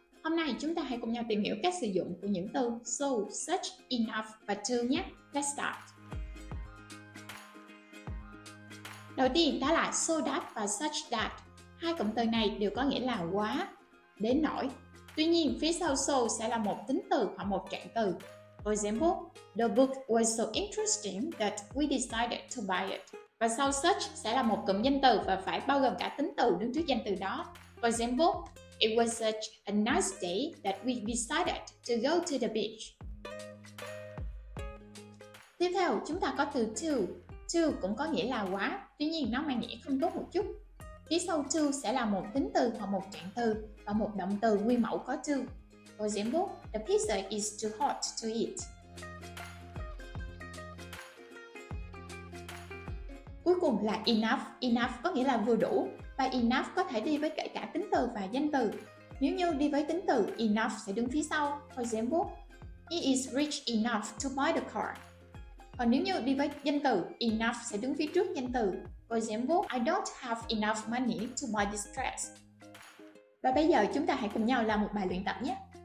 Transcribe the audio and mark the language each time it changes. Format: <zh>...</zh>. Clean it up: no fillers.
<vi>Hôm nay chúng ta hãy cùng nhau tìm hiểu cách sử dụng của những từ so, such, enough và to nhé.</vi> <en>Let's start.</en> <vi>Đầu tiên đó là so that và such that. Hai cụm từ này đều có nghĩa là quá, đến nỗi. Tuy nhiên phía sau so sẽ là một tính từ hoặc một trạng từ.</vi> <en>For example, the book was so interesting that we decided to buy it.</en> <vi>Và sau such sẽ là một cụm danh từ và phải bao gồm cả tính từ đứng trước danh từ đó.</vi> <en>For example, it was such a nice day that we decided to go to the beach.</en> <vi>Tiếp theo, chúng ta có từ to. To cũng có nghĩa là quá, tuy nhiên nó mang nghĩa không tốt một chút. Phía sau to sẽ là một tính từ hoặc một trạng từ và một động từ nguyên mẫu có to.</vi> <en>For example, the pizza is too hot to eat.</en> <vi>Cuối cùng là enough. Enough có nghĩa là vừa đủ. Và enough có thể đi với kể cả tính từ và danh từ. Nếu như đi với tính từ, enough sẽ đứng phía sau.</vi> <en>For example, he is rich enough to buy the car.</en> <vi>Còn nếu như đi với danh từ, enough sẽ đứng phía trước danh từ.</vi> <en>For example, I don't have enough money to buy this dress.</en> <vi>Và bây giờ chúng ta hãy cùng nhau làm một bài luyện tập nhé.</vi>